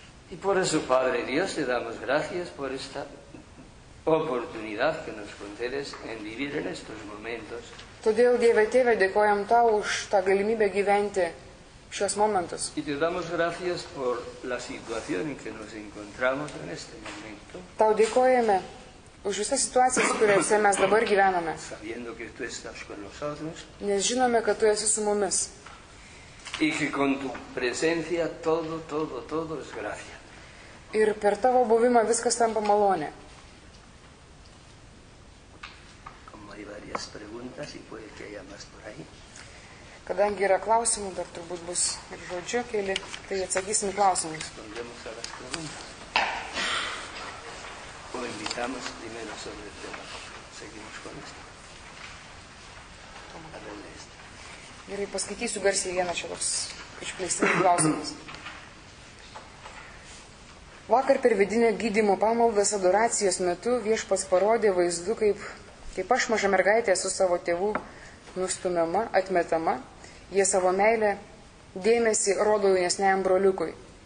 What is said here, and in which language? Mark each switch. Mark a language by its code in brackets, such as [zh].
[es] Y por eso, Padre Dios, te damos gracias por esta oportunidad que nos concedes en vivir en estos momentos. [lt] Todėl, Dieve Tėve, dėkojam tau už tą galimybę gyventi šios momentus. [es] Y te damos gracias por la situación en que nos encontramos en este momento. [lt] Tau dėkojame už visą situaciją, kuriuose mes dabar gyvename. [es] Sabiendo que tú estás con nosotros. [lt] Nes žinome, kad tu esi su mumis. [es] Y que con tu presencia todo es gracia. [lt] Ir per tavo buvimą viskas tampa malonė. [es] Como hay varias preguntas y puede que haya más por ahí. [lt] Kadangi yra klausimų, dar turbūt bus ir žodžio keli, tai atsakysim į klausimus. [es] Respondemos a las preguntas. O invitamos primero sobre el tema. Seguimos con esto. [lt] Gerai, paskaitysiu garsiai vieną čia toks išplėstinį klausimus. Vakar per vidinę gydymo pamaldas adoracijos metu viešpats parodė vaizdu, kaip aš maža mergaitė su savo tėvų nustumiama, atmetama, jie savo meilę dėmesį rodo jaunesniam broliukui.